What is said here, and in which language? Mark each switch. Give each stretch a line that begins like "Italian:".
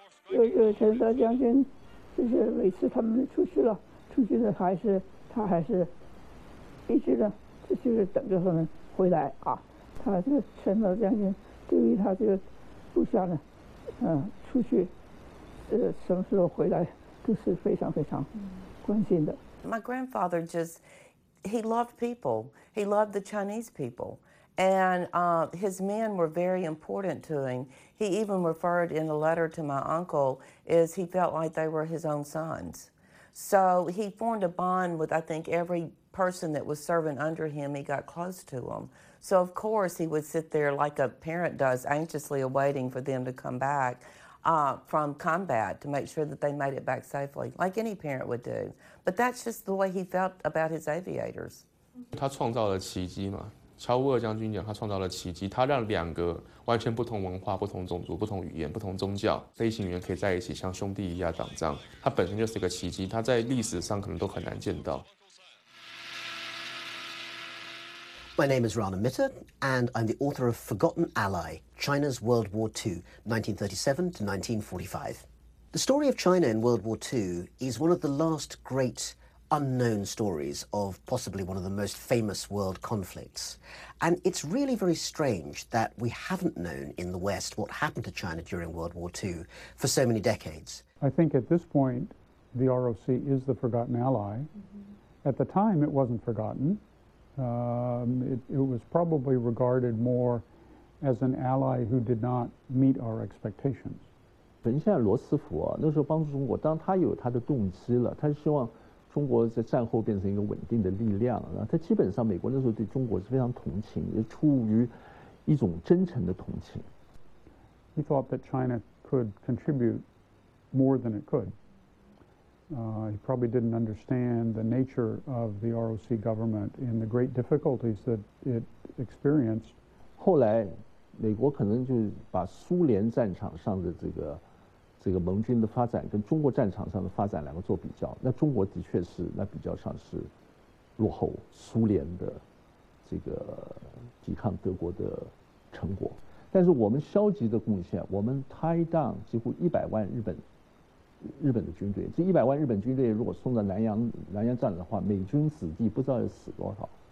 Chinese: 有陈德将军就是每次他们出去了，出去的还是他还是一直呢，就是等着他们回来啊。他这个陈德将军对于他这个部下呢，出去什么时候回来都是非常非常关心的。
English: My grandfather just he loved people. He loved the Chinese people, and his men were very important to him. He even referred in a letter to my uncle as he felt like they were his own sons. So he formed a bond with, I think, every person that was serving under him. He got close to them. So, of course, he would sit there like a parent does, anxiously awaiting for them to come back from combat to make sure that they made it back safely, like any parent would do. But that's just the way he felt about his aviators.
Chinese: 他创造了奇迹嘛。乔乌尔将军讲，他创造了奇迹，他让两个完全不同文化、不同种族、不同语言、不同宗教飞行员可以在一起，像兄弟一样打仗。他本身就是一个奇迹，他在历史上可能都很难见到。
English: My name is Rana Mitter, and I'm the author of Forgotten Ally: China's World War II, 1937 to 1945. The story of China in World War II is one of the last great. Unknown stories of possibly one of the most famous world conflicts. And it's really very strange that we haven't known in the West what happened to China during World War II for so many decades. I think at this point, the ROC is the forgotten ally. Mm-hmm. At the time, it wasn't forgotten. It was probably regarded more as an ally who did not meet our expectations.
Chinese: 等一下，罗斯福啊，那时候帮助中国，当他有他的动机了，他希望中国在战后变成一个稳定的力量。然后他基本上，美国那时候对中国是非常同情，也出于一种真诚的同情。
English: He thought that China could contribute more than it could. He probably didn't understand the nature of the ROC government and the great difficulties that it experienced.
Chinese: 后来，美国可能就把苏联战场上的这个盟军的发展跟中国战场上的发展两个做比较，那中国的确是那比较上是落后苏联的这个抵抗德国的成果，但是我们消极的贡献，我们
English: tie down
Chinese: 几乎100万日本的军队，这100万日本军队如果送到南洋战的话，美军子弟不知道要死多少。